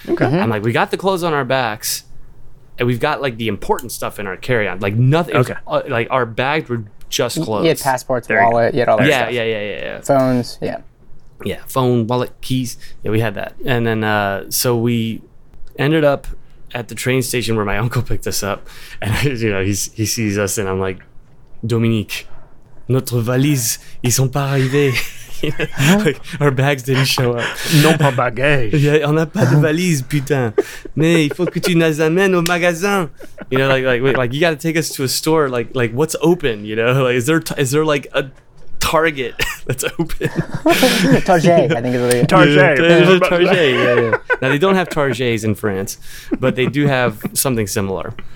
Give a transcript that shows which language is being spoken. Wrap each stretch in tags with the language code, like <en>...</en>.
<en>I'm like, we got the clothes on our backs and we've got like the important stuff in our carry-on. Like nothing. Like our bags were just clothes. You had passports, there wallet, you had all that stuff. Yeah. Phones, Yeah, phone, wallet, keys. Yeah, we had that. And then so we ended up at the train station where my uncle picked us up. And you know, he sees us and I'm like, Dominique,</en> <fr>notre valise, ils sont pas arrivés.</fr> <en>Like, our bags didn't show up.</en> <fr>Non pas bagage. Yeah, on a pas de valise, putain. Mais il faut que tu nous amènes au magasin.</fr> <en>You know, like you got to take us to a store. Like what's open? You know, like is there like a Target that's open? Target, you know? I think it's Target. Yeah. Now they don't have Targets in France, but they do have something similar.</en>